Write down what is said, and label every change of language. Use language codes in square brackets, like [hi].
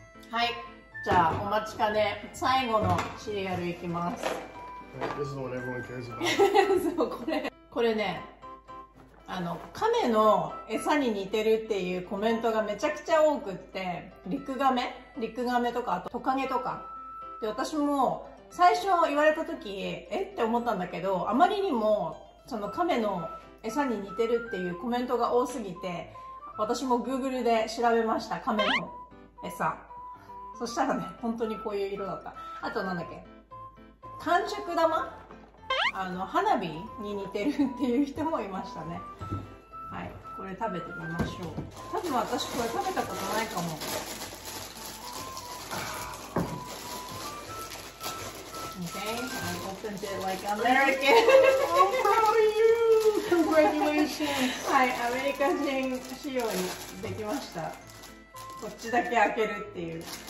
[ja] はい、じゃあお待ちかね、最後のシリアルいきます。 [en] Right, this is the one everyone cares about. [ja] そう、これね。亀の餌に似てるっていうコメントがめちゃくちゃ多くって、リクガメとかあとトカゲとかで、私も最初言われた時えって思ったんだけど、あまりにもその亀の餌に似てるっていうコメントが多すぎて、私も Google で調べました、亀の餌。そしたらね、本当にこういう色だった。あとなんだっけ、完熟玉、花火に似てるっていう人もいましたね。はい、これ食べてみましょう。多分私これ食べたことないかも。 [en] Okay, I opened it like American. I'm proud of you! Congratulations! [ja] はい、アメリカ人仕様にできました。こっちだけ開けるっていう。